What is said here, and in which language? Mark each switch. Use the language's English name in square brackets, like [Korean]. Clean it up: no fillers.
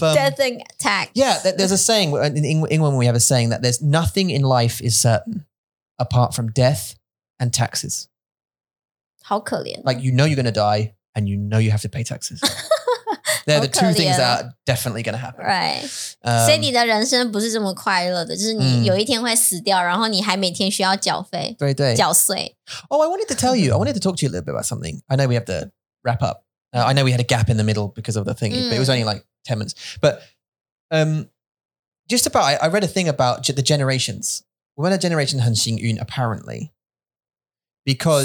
[English] Death and tax. Yeah, there's a saying, in England we have a saying that there's nothing in life is certain apart from death and taxes. [Chinese] 好可怜. [English] Like, you know you're going to die and you know you have to pay taxes. They're the two things that are definitely going to happen. Right. [Chinese] 所以你的人生不是这么快乐的,就是你有一天会死掉,然后你还每天需要缴费, 对对。缴税。 [English] Oh, I wanted to talk to you a little bit about something. I know we have to wrap up. I know we had a gap in the middle because of the thingy, but it was only like 10 minutes. But just about, I read a thing about the generations. When a generation [Chinese] 很幸运, [English] apparently. Because...